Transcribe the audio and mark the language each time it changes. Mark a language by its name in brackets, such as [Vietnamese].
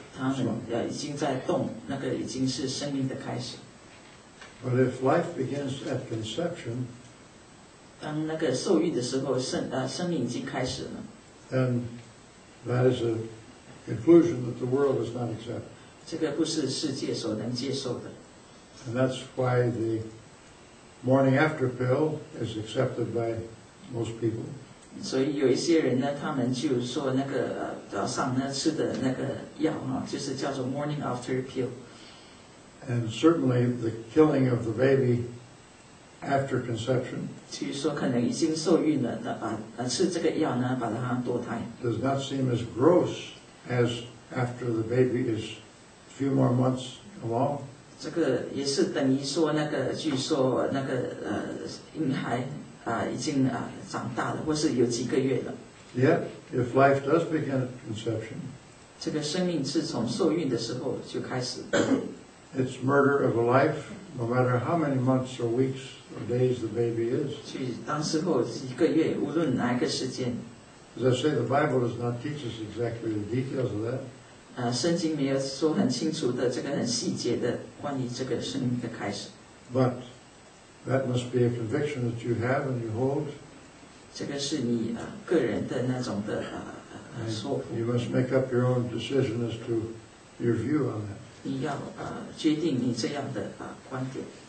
[Chinese] 他们已经在动，那个已经是生命的开始。 [English] But if life begins at conception, [Chinese] 当那个受孕的时候，生命已经开始了。 [English] Then that is a conclusion that the world does not accept. [Chinese] 这个不是世界所能接受的。 [English] And that's why the morning after pill is accepted by most people. [Chinese] 所以有一些人呢，他们就说那个早上呢吃的那个药哈，就是叫做 [English] morning after pill。 And certainly the killing of the baby after conception。 [Chinese] 就是说可能已经受孕了，那把吃这个药呢，把它堕胎。 [English] Does not seem as gross as after the baby is a few more months along。 [Chinese] 这个也是等于说那个，据说那个婴孩。已经长大了，或是有几个月了。 [English] Yet, if life does begin at conception, [Chinese] 这个生命是从受孕的时候就开始。 [English] It's murder of a life, no matter how many months or weeks or days the baby is. [Chinese] 去当时候一个月，无论哪一个时间。 [English] As I say, the Bible does not teach us exactly the details of that. [Chinese] 圣经没有说很清楚的这个很细节的关于这个生命的开始。 [English] But. That must be a conviction that you have and you hold. [Chinese] 这个是你个人的那种的说服。 [English] You must make up your own decision as to your view on that. [Chinese] 你要决定你这样的观点。